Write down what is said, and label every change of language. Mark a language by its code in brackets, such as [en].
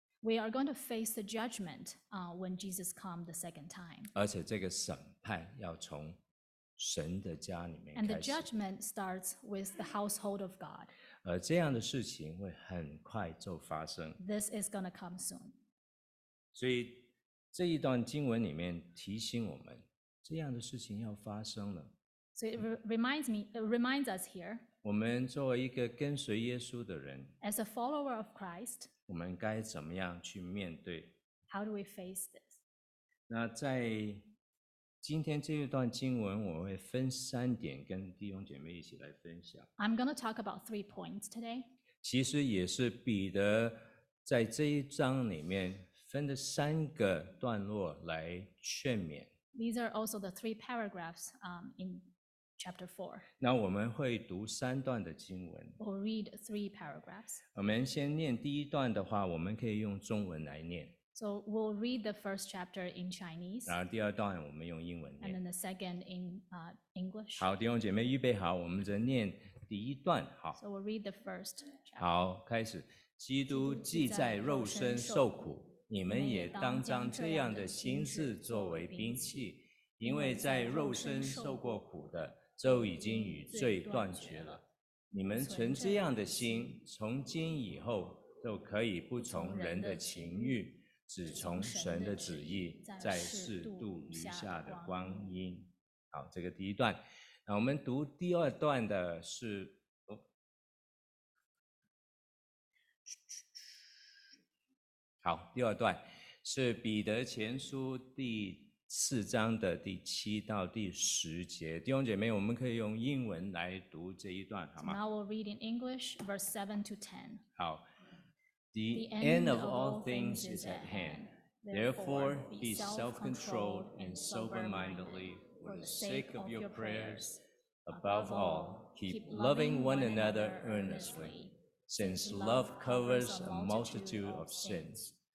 [en] We are going to face the judgment when Jesus comes the second time. [zh] 而且这个审判要从神的家里面开始。 [en] And the judgment starts with the household of God. [zh] 这样的事情会很快就发生。 [en] This is going to come soon. [zh] 所以这一段经文里面提醒我们，这样的事情要发生了。 [en] So it reminds me, it reminds us here. [zh] 我们作为一个跟随耶稣的人， [en] As a follower of Christ, [zh] 我们该怎么样去面对？ [en] How do we face this? [zh] 那在今天这一段经文我会分三点跟弟兄姐妹一起来分享。 [en] I'm going to talk about three points today. [zh] 其实也是彼得在这一章里面分的三个段落来劝勉。 [en] These are also the three paragraphs in chapter 4. [zh] 那我们会读三段的经文。 [en] We'll read three paragraphs. [zh] 我们先念第一段的话，我们可以用中文来念。 [en] So we'll read the first chapter in Chinese. [zh] 然后第二段我们用英文念。 [en] And then the second in English. [zh] 好，弟兄姐妹预备好，我们再念第一段。好。 [en] So we'll read the first chapter. [zh] 好，开始。基督既在肉身受苦，你们也当将这样的心智作为兵器，因为在肉身受过苦的，就已经与罪断绝了。你们存这样的心，从今以后就可以不从人的情欲。只从神的旨意在世度余下的光阴。好，这个第一段。那我们读第二段的是，好，第二段是彼得前书第四章的第七到第十节。弟兄姐妹，我们可以用英文来读这一段，好吗？ [en] Now we'll read in English, verse 7 to 10. [zh] 好。 [en] The end of all things is at hand. Therefore, be self-controlled and sober-mindedly for the sake of your prayers. Above all, keep loving one another earnestly, since love covers a multitude of sins.